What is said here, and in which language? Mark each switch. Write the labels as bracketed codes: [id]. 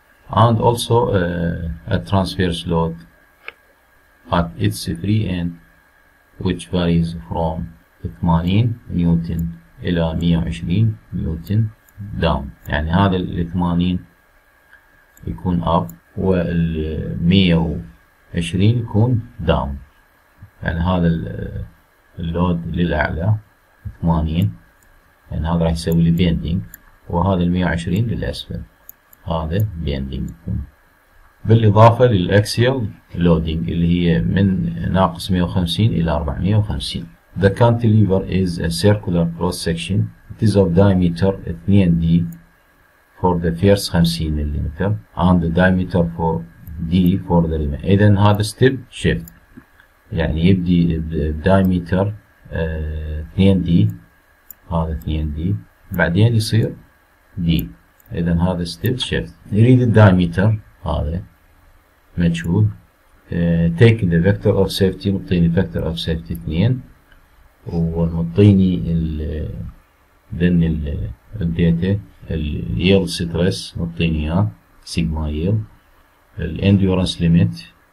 [en] And also a transverse load at its free end which varies from 80 newton [ar] إلى [en] 120 newton down. [ar] يعني هذا الـ 80 يكون up والـ 120 يكون down. يعني هذا الـ load للأعلى 80، يعني هذا راح يسوي لي bending، وهذا الـ 120 للأسفل هذا بيندينج. بالإضافة للأكسيال لودينج اللي هي من ناقص 150 إلى 450. [en] The cantilever is a circular cross section. It is of diameter 2 D for the first 50 mm and the diameter for D for the remainder. [ar] إذن هذا step shift. يعني يبدي بدايميتر 2 دي، هذا 2 دي، بعدين يصير دي. اذا هذا ستيب شيفت. نريد الدايميتر هذا مجهول، [en] take the factor of safety, [ar] مطيني فيكتور اوف سيفتي 2 ومطيني ذن الداتا اليلد ستريس، مطيني اياه سيجما يلد، الاندورنس ليميت،